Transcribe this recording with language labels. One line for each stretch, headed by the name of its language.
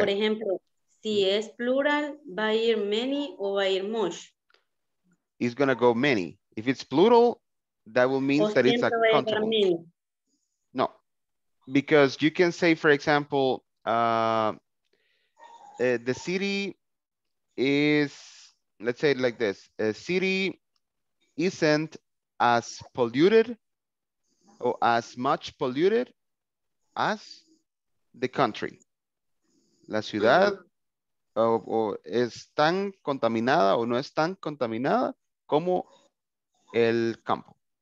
Spanish: Por ejemplo, si es plural, va a ir many o va a ir much?
English: It's going to go many. If it's plural, that will mean that it's a countable. No, because you can say, for example, the city is, let's say it like this, a city isn't as polluted or as much polluted as the country.
Spanish: La ciudad o es tan contaminada o no es tan contaminada como el campo.